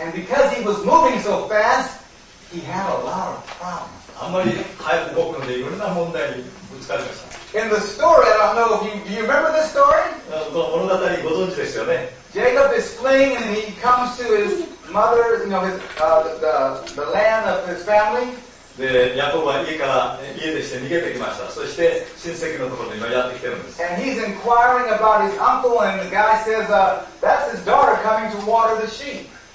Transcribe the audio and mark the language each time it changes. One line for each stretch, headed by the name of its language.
English: And because he was moving so fast,He had a lot of problems.
Japanese: あんまり早く動くのでいろんな問題にぶつかりました。
English: In the story, I don't know if you, do you remember this story?
Japanese: この物語ご存知ですよね。
English: Jacob is fleeing and he comes to his mother, you know, his, the land of his family.
Japanese: で、ヤコブは家から家でして逃げてきました。そして親戚のところに今やってきてるんです。
English: And he's inquiring about his uncle and the guy says, that's his daughter coming to water the sheep.